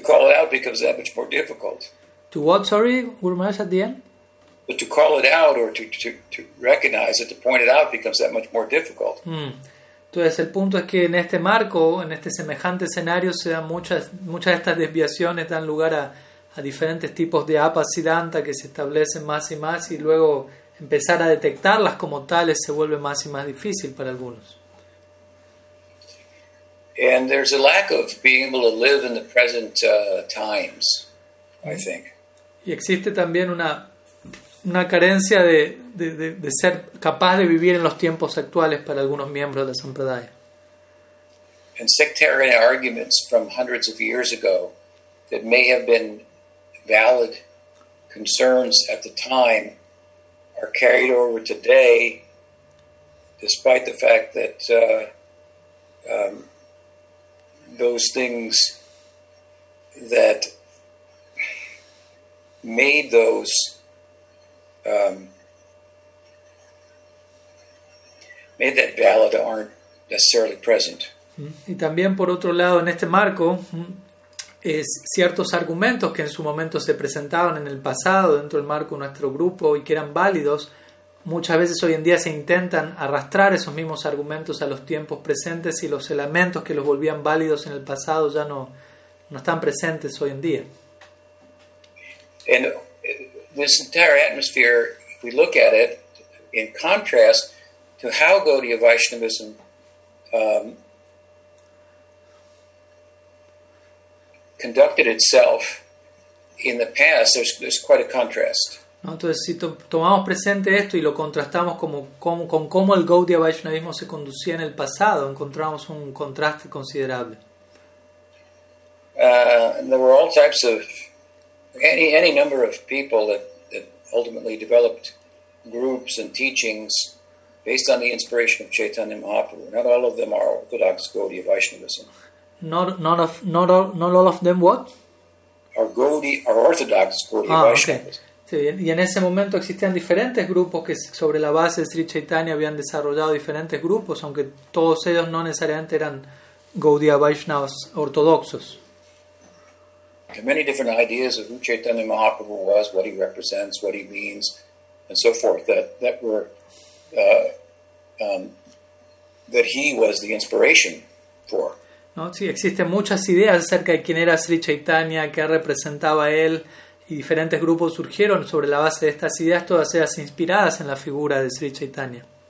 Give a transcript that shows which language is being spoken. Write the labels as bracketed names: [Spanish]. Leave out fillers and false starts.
[English] call it out becomes that much more difficult. To what, sorry, Gurmash, at the end? But to call it out or to recognize it, to point it out, becomes that much more difficult. [Spanish] Entonces el punto es que en este marco, en este semejante escenario, se dan muchas de estas desviaciones, dan lugar a diferentes tipos de apasiddhanta que se establecen más y más, y luego empezar a detectarlas como tales se vuelve más y más difícil para algunos. [English] And there's a lack of being able to live in the present times, I think. [Spanish] Y existe también una carencia de ser capaz de vivir en los tiempos actuales para algunos miembros de la Sampradaya. [English] And sectarian arguments from hundreds of years ago that may have been valid concerns at the time are carried over today, despite the fact that those things that made those made that valid aren't necessarily present. [Spanish] Y también por otro lado, en este marco, es ciertos argumentos que en su momento se presentaban en el pasado dentro del marco de nuestro grupo y que eran válidos, muchas veces hoy en día se intentan arrastrar esos mismos argumentos a los tiempos presentes y los elementos que los volvían válidos en el pasado ya no están presentes hoy en día. [English] And this entire atmosphere, if we look at it in contrast to how Gaudiya Vaishnavism conducted itself in the past, there's quite a contrast. [Spanish] Entonces, si tomamos presente esto y lo contrastamos con cómo el Gaudiya Vaishnavismo se conducía en el pasado, encontramos un contraste considerable. [English] There were all types of any number of people that ultimately developed groups and teachings based on the inspiration of Chaitanya Mahaprabhu. Not all of them are orthodox Gaudiya Vaishnavism. Not all of them what? Are orthodox Gaudiya Vaishnavism. [Spanish] Okay. Sí, y en ese momento existían diferentes grupos que sobre la base de Sri Chaitanya habían desarrollado diferentes grupos, aunque todos ellos no necesariamente eran Gaudiya Vaishnavas ortodoxos. [English] There are many different ideas of who Chaitanya Mahaprabhu was, what he represents, what he means, and so forth, that he was the inspiration for. [Spanish] No, sí, existen muchas ideas acerca de quién era Sri Chaitanya, qué representaba él, y diferentes grupos surgieron sobre la base de estas ideas, todas ellas inspiradas en la figura de Sri Chaitanya.